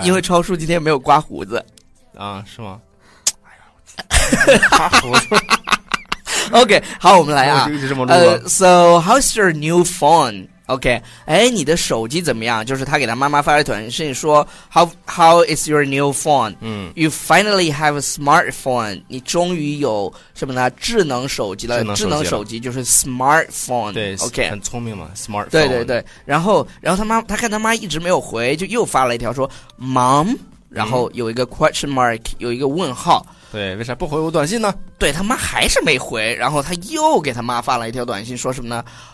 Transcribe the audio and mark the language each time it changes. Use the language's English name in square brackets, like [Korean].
[Chinese] 因为超叔今天没有刮胡子。啊，是吗？哎呀，刮胡子。 OK， 好，我们来啊。我就一直这么录了。 [English] So, how's your new phone? [Chinese] OK， 哎，你的手机怎么样？就是他给他妈妈发了短信说 How is your new phone? [English] You finally have a smartphone. [Chinese] 你终于有什么呢？智能手机了。智能手机就是 smartphone。对，OK，很聪明嘛 ，smartphone。对对对，然后他看他妈一直没有回，就又发了一条说 Mom， 然后有一个 question mark， 有一个问号。对，为啥不回我短信呢？对，他妈还是没回，然后他又给他妈发了一条短信说什么呢？